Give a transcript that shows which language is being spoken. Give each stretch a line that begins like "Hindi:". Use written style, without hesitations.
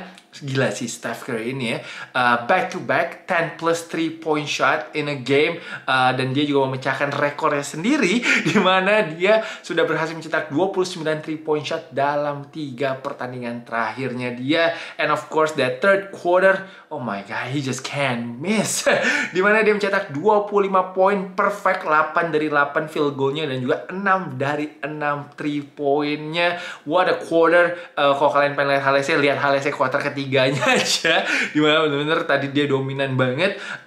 Indonesian: Gila sih
English: Steph Curry
Indonesian: ini ya.
English: Back to back 10 plus 3 point shot in a game.
Indonesian: Dan dia juga memecahkan rekornya sendiri, di mana dia sudah berhasil mencetak 29
English: 3 point shot
Indonesian: dalam 3 pertandingan terakhirnya dia.
English: And of course that third quarter, oh my god, he just can't miss.
Indonesian: Di mana dia mencetak 25 poin, perfect 8 dari 8 field goalnya dan juga 6 dari 6 3 poinnya.
English: What a quarter.
Indonesian: Kalau kalian pengen lihat halnya, lihat halnya quarter ketiganya aja, dimana bener-bener tadi dia dominan banget.